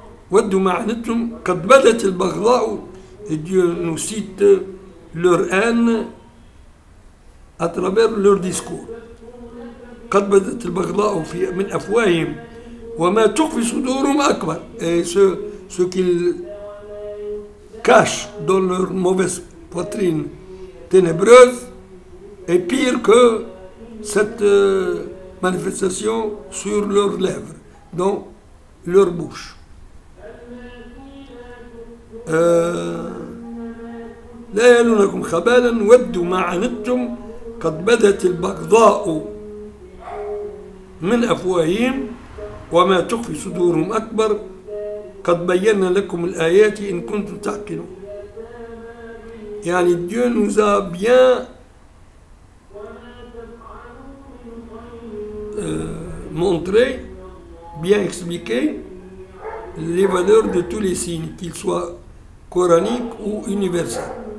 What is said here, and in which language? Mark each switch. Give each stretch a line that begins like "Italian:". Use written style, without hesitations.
Arabic: ودوا ما عنتم قد بدت البغضاء،
French: ديو نسيت لور آن أترابير لور ديسكور.
Arabic: قد بدت البغضاء في من أفواههم وما تخفي صدورهم أكبر.
French: Ce qu'ils cachent dans leur mauvaise poitrine ténébreuse est pire que cette manifestation sur leurs lèvres, dans leur bouche.
Arabic: لا يلونكم خبالا ودوا ما عنتم قد بدت البغضاء من أفواههم وما تخفي صدورهم أكبر قد بينا لكم الآيات إن كنتم تعقلون.
French: يعني Dieu nous a bien montré, bien expliqué les valeurs de tous les signes, qu'ils soient coraniques ou universels.